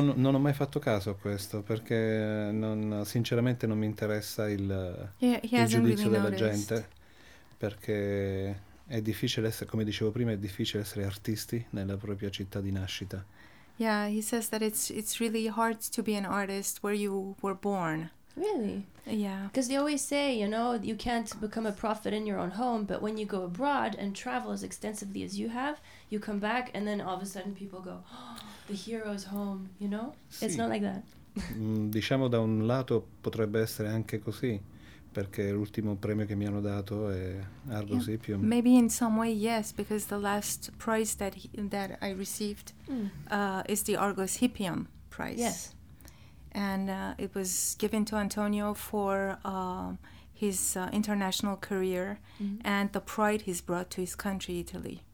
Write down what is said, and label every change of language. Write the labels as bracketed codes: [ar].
[it] Non ho mai fatto caso a questo, perché sinceramente non mi interessa il giudizio [en] really [it] della [en] noticed. [it] Gente, perché è difficile essere, come dicevo prima, è difficile essere artisti nella propria città di nascita. [en] Yeah, he says that it's really hard to be an artist where you were born. Really? Yeah. Because they always say, you know, you can't become a prophet in your own home, but when you go abroad and travel as extensively as you have, you come back and then all of a sudden people go, oh, the hero's home, you know? [it] Sì. [en] It's not like that. [it] Diciamo, da un lato potrebbe essere anche così, perché l'ultimo premio che mi hanno dato è Argo Scipio. [en] Yeah. Maybe in some way, yes, because the last prize that I received is the Argo Scipio prize. Yes. And it was given to Antonio for his international career and the pride he's brought to his country, Italy.